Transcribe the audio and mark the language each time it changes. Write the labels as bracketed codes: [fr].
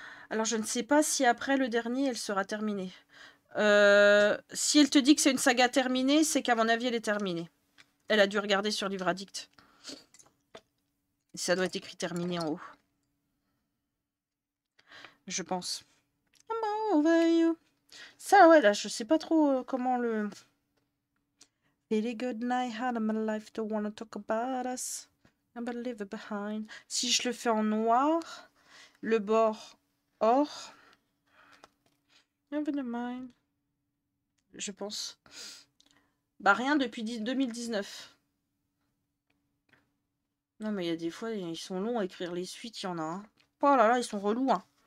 [fr] Alors, je ne sais pas si après le dernier, elle sera terminée. Si elle te dit que c'est une saga terminée, c'est qu'à mon avis, elle est terminée. Elle a dû regarder sur Livre Addict. Ça doit être écrit terminé en haut. Je pense. [en] I'm over you. [fr] Ça, ouais, là, je sais pas trop comment le... [en] Really good night, had my life, don't wanna talk about us. I'm gonna leave it behind. [fr] Si je le fais en noir, le bord... [en] Or, never mind. [fr] Je pense. Bah rien depuis 2019. Non mais il y a des fois, ils sont longs à écrire les suites, il y en a. Oh là là, ils sont relous. Hein.